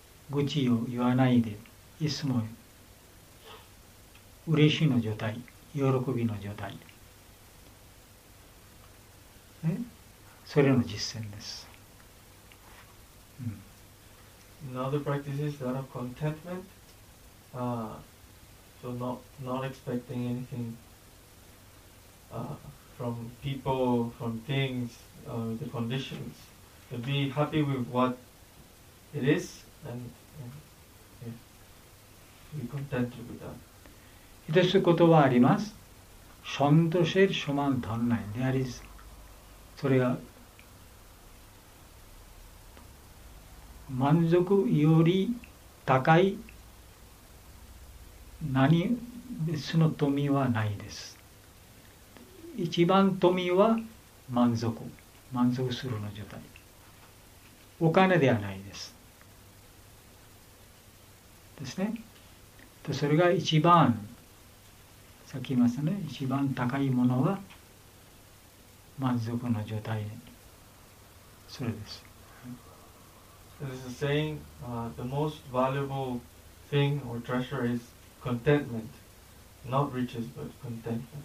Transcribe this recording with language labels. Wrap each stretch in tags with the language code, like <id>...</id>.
<ja>愚痴を言わないで、いつも嬉しいの状態、喜びの状態、ね、それの実践です、う</ja> <en>ん。Another practice is that of contentment. So not expecting anything from people, from things, the conditions. To be happy with what it is and be contented with that.</en> <ja>一つことはあります。ショントシェルショマンドンナイン。それが満足より高い何別の富はないです。一番富は満足。満足するの状態。お金ではないです。ですね。それが一番、さっき言いましたね、一番高いものは満足の状態、それです。</ja> <en>This is saying, the most valuable thing or treasure is contentment, not riches but contentment.</en>